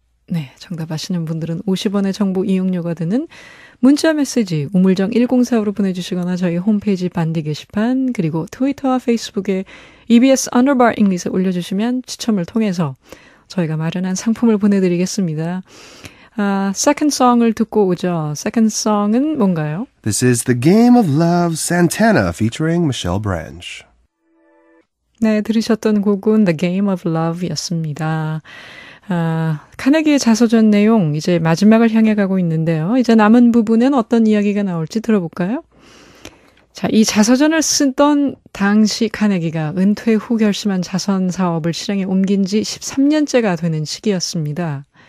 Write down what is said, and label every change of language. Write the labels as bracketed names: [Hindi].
[Korean] 네, 정답 아시는 분들은 50원의 정보 이용료가 드는 문자 메시지 우물정1045로 보내주시거나 저희 홈페이지 반디 게시판 그리고 트위터와 페이스북에 EBS Underbar English에 올려주시면 추첨을 통해서 저희가 마련한 상품을 보내드리겠습니다. 아, second song을 듣고 오죠. Second song은 뭔가요? [English] This is The Game of Love, Santana, featuring Michelle Branch. [Korean] 네, 들으셨던 곡은 The Game of Love였습니다. 아, 카네기의 자서전 내용 이제 마지막을 향해 가고 있는데요. 이제 남은 부분엔 어떤 이야기가 나올지 들어볼까요? 자, 이 자서전을 쓰던 당시 카네기가 은퇴 후 결심한 자선 사업을 실행에 옮긴 지 13년째가 되는 시기였습니다.